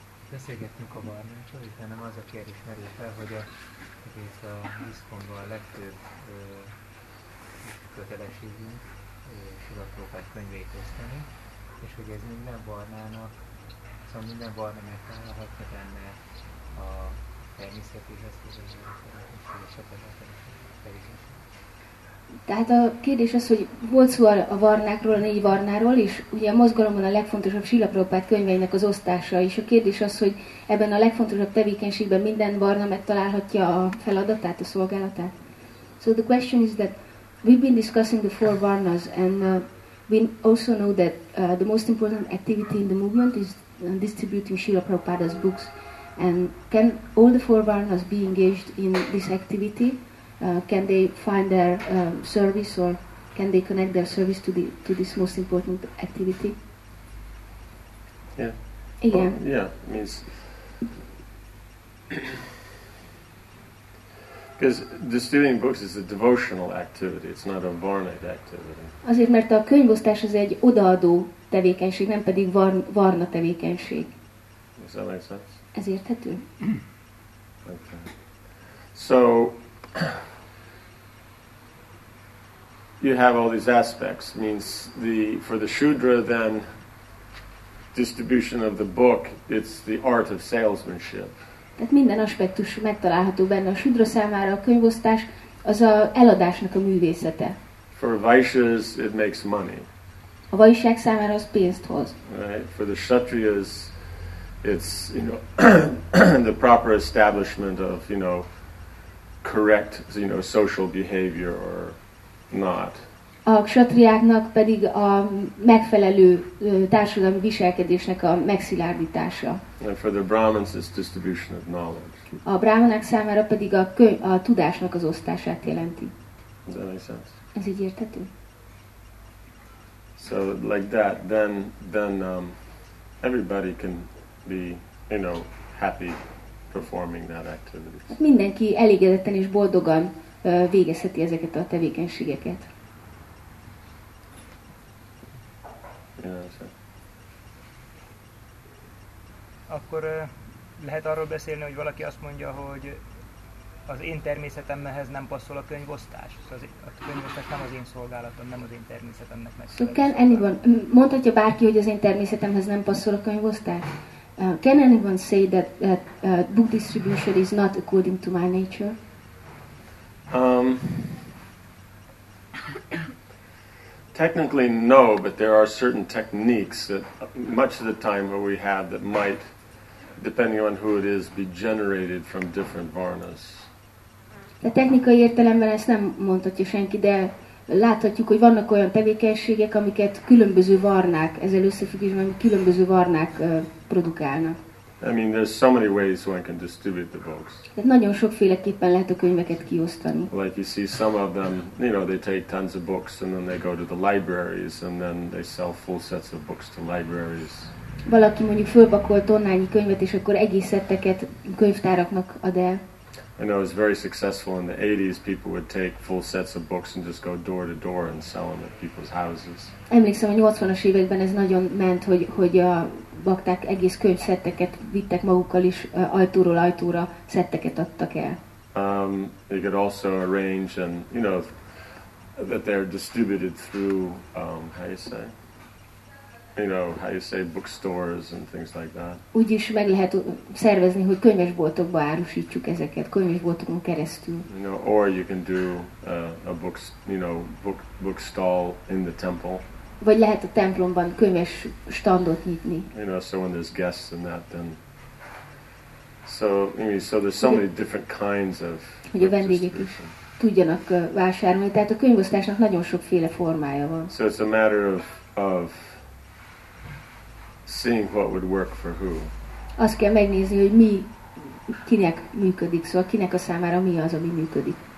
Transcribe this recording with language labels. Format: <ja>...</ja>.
<hu>Beszélgettünk a barnácsot, és nem az a kérdés merül fel, hogy a ISKCON-ban a legtöbb kötelességünk Srila Prabhupád könyvét osztani, és hogy ez minden barnának, szóval minden barna megtalálhatja benne a természetéhez közelítő, és a felületéhez. Tehát a kérdés az, hogy volt szó a varnákról, a négy varnáról, és ugye a mozgalomban a legfontosabb Srila Prabhupád könyveinek az osztása, és a kérdés az, hogy ebben a legfontosabb tevékenységben minden varna megtalálhatja a feladatát, a szolgálatát.</hu> <en>So the question is that we've been discussing the four varnas, and we also know that the most important activity in the movement is distributing Srila Prabhupada's books. And can all the four varnas be engaged in this activity? Can they find their service, or can they connect their service to the to this most important activity? Yeah. Yeah. Well, yeah. It means because distributing books is a devotional activity. It's not a varnaid activity.</en> <hu>Azért, mert a könyvosztás az egy odaadó tevékenység, nem pedig varna tevékenység.</hu> <en>Does that make sense?</en> <hu>Ez érthető.</hu> <en>Okay. So. You have all these aspects. Means the for the Shudra, then distribution of the book. It's the art of salesmanship.</en> <hu>Tehát minden aspektus megtalálható benne a Shudra számára. A könyvosztás az a eladásnak a művészete.</hu> <en>For Vaishyas, it makes money.</en> <hu>A vaisyák számára az pénzt hoz.</hu> <en>Right. For the Kshatriyas, it's you know the proper establishment of you know correct you know social behavior or. Not.</en> <hu>A ksatriáknak pedig a megfelelő társadalmi viselkedésnek a megszilárdítása.</hu> <en>And for the Brahmins is distribution of knowledge.</en> <hu>A brahmanák számára pedig a, köny- a tudásnak az osztását jelenti.</hu> <en>Does that make sense?</en> <hu>Ez így érthető?</hu> <en>So like that, then everybody can be, you know, happy performing that activity.</en> <hu>Mindenki elégedetten és boldogan végezheti ezeket a tevékenységeket. Akkor lehet arról beszélni, hogy valaki azt mondja, hogy az én természetemhez nem passzol a könyvosztás. Szóval a könyvosztás nem az én szolgálatom, nem az én természetemnek megfelelő.</hu> <en>So can anyone,</en> <hu>mondhatja bárki, hogy az én természetemhez nem passzol a könyvosztás?</hu> <en>Can anyone say that, that book distribution is not according to my nature? Technically no, but there are certain techniques that much of the time that we have that might, depending on who it is, be generated from different varnas.</en> <hu>De technikai értelemben ezt nem mondhatja senki, de láthatjuk, hogy vannak olyan tevékenységek, amiket különböző varnák, ezzel összefüggésben különböző varnák produkálnak.</hu> <en>I mean, there's so many ways one can distribute the books.</en> <hu>De nagyon sokféleképpen lehet a könyveket kiosztani.</hu> <en>Like you see, some of them, you know, they take tons of books and then they go to the libraries and then they sell full sets of books to libraries.</en> <hu>Valaki mondjuk fölpakolt tonnányi könyvet és akkor egész szetteket könyvtáraknak ad el.</hu> <en>I know it's very successful in the 80s. People would take full sets of books and just go door to door and sell them at people's houses.</en> <hu>Emlékszem, a 80-as években ez nagyon ment, hogy a bakták egész könyvszetteket vittek magukkal is ajtóról ajtóra szetteket adtak el.</hu> <en>They could also arrange and you know that they're distributed through how you say bookstores and things like that.</en> <hu>Úgy is meg lehet szervezni, hogy könyvesboltokba árusítjuk ezeket könyvesboltokon keresztül.</hu> <en>You know, or you can do a books you know book stall in the temple.</en> <hu>Vagy lehet a templomban könyves standot nyitni.</hu> <en>You know, so when there's guests and that, then so I mean, so there's so many different kinds of.</en> <hu>Hogy a vendégek is tudjanak vásárolni, tehát a könyvosztásnak nagyon sokféle formája van.</hu> <en>So it's a matter of seeing what would work for who.</en> <hu>Azt kell megnézni, hogy mi kinek működik, szóval kinek a számára mi az, ami működik.</hu>